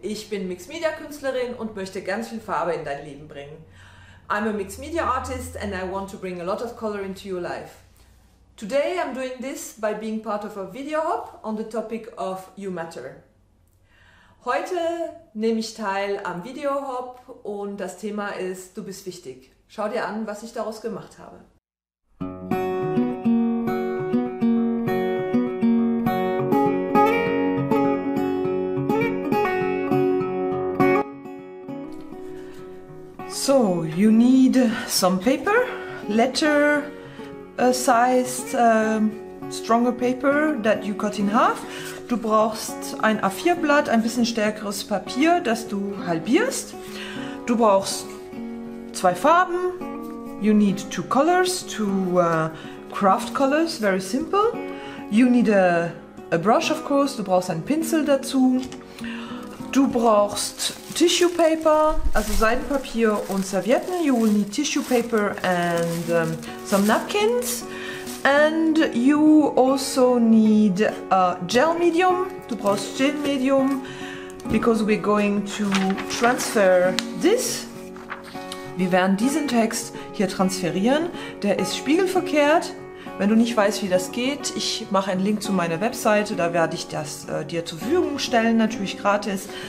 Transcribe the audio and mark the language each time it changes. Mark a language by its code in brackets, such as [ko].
[de] Ich bin Mixed-Media-Künstlerin und möchte ganz viel Farbe in dein Leben bringen. [en] I'm a Mixed-Media-Artist and I want to bring a lot of color into your life. Today I'm doing this by being part of a video hop on the topic of You Matter. [de] Heute nehme ich teil am Video Hop und das Thema ist Du bist wichtig. Schau dir an, was ich daraus gemacht habe. [en] So, you need some paper, letter sized stronger paper that you cut in half. [de] Du brauchst ein A4-Blatt, ein bisschen stärkeres Papier, das du halbierst. Du brauchst zwei Farben. [en] You need two colors, two craft colors, very simple. You need a brush, of course. [de] Du brauchst einen Pinsel dazu. Du brauchst tissue paper, also Seidenpapier und Servietten. [en] You will need tissue paper and some napkins. And you also need a gel medium. [de] Du brauchst Gel Medium, [en] because we're going to transfer this. [de] Wir werden diesen Text hier transferieren. Der ist spiegelverkehrt. Wenn du nicht weißt, wie das geht, ich mache einen Link zu meiner Webseite. Da werde ich das dir zur Verfügung stellen, natürlich gratis.